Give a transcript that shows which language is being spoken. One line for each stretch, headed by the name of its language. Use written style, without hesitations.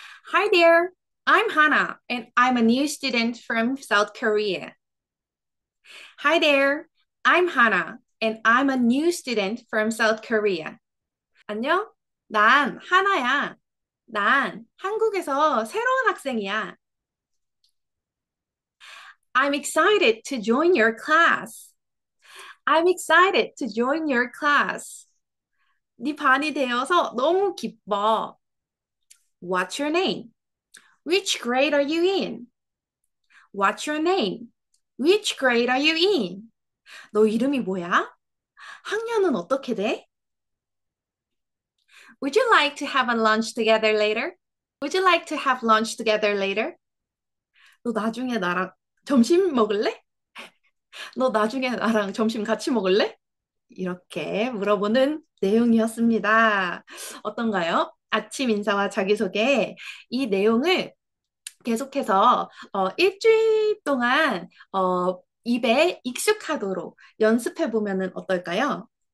English: Hi there, I'm Hannah and I'm a new student from South Korea. Hi there, I'm Hannah and I'm a new student from South Korea.
Korean: 안녕, 난 하나야. 난 한국에서 새로운 학생이야.
English: I'm excited to join your class. I'm excited to join your class.
Korean: 네 반이 되어서 너무 기뻐.
English: What's your name? Which grade are you in? What's your name? Which grade are you in?
Korean: 너 이름이 뭐야? 학년은 어떻게 돼?
English: Would you like to have a lunch together later? Would you like to have lunch together later?
Korean: 너 나중에 나랑 점심 먹을래? 너 나중에 나랑 점심 같이 먹을래? 이렇게 물어보는 내용이었습니다. 어떤가요? 아침 인사와 자기소개. 이 내용을 계속해서 일주일 동안 입에 익숙하도록 연습해 보면은 어떨까요?